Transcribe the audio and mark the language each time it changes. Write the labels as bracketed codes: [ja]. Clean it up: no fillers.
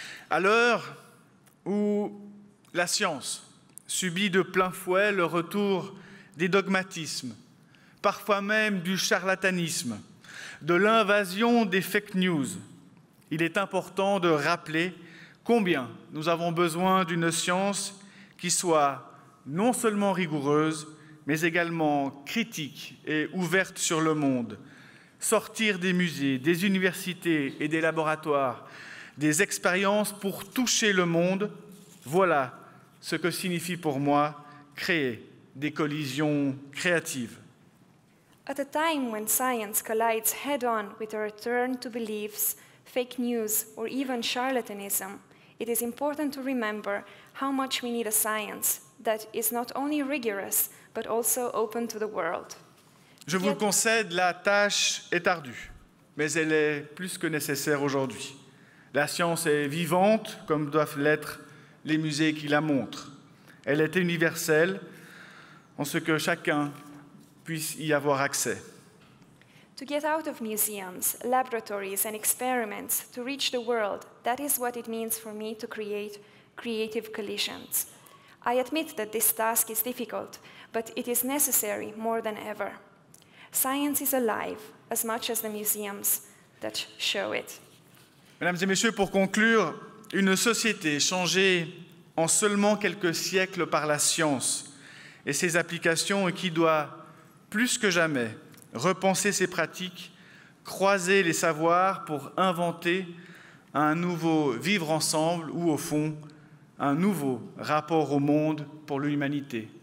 [fr] À l'heure où la science subit de plein fouet le retour des dogmatismes, parfois même du charlatanisme, de l'invasion des fake news, il est important de rappeler combien nous avons besoin d'une science qui soit non seulement rigoureuse, mais également critique et ouverte sur le monde. Sortir des musées, des universités et des laboratoires, des expériences pour toucher le monde, voilà ce que signifie pour moi créer des collisions créatives. [en] At a time when science collides head-on with a return to beliefs, fake news, or even charlatanism, it is important to remember how much we need a science that is not only rigorous, but also open to the world. [fr] Je vous concède, la tâche est ardue, mais elle est plus que nécessaire aujourd'hui. La science est vivante, comme doivent l'être les musées qui la montrent. Elle est universelle, en ce que chacun puisse y avoir accès. [en] To get out of museums, laboratories, and experiments to reach the world, that is what it means for me to create creative collisions. I admit that this task is difficult, but it is necessary more than ever. Science is alive as much as the museums that show it. [fr] Mesdames et messieurs, pour conclure, une société changée en seulement quelques siècles par la science et ses applications et qui doit plus que jamais repenser ses pratiques, croiser les savoirs pour inventer un nouveau vivre ensemble ou au fond, un nouveau rapport au monde pour l'humanité.